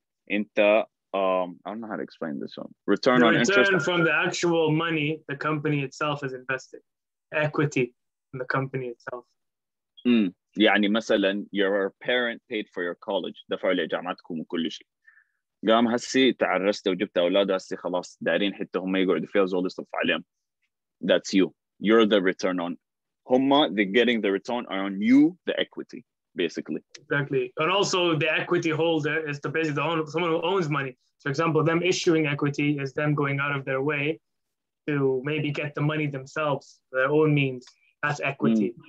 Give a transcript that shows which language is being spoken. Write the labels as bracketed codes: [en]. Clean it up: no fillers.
[en] I don't know how to explain this one. Return the on return interest from the actual money the company itself has invested. Equity in the company itself. [ar] يعني مثلا [en] your parent paid for your college. [ar] دفع لجامعتكم وكل شيء. قام هسي تعرست وجبت أولاد هسي خلاص دارين حتى هم يقعدوا فيها زول يصرف عليهم. [en] That's you. You're the return on. [ar] هم [en] they're getting the return on you, the equity. Basically. Exactly. And also the equity holder is the basically the owner, someone who owns money. For example, them issuing equity is them going out of their way to maybe get the money themselves, their own means. That's equity. Mm.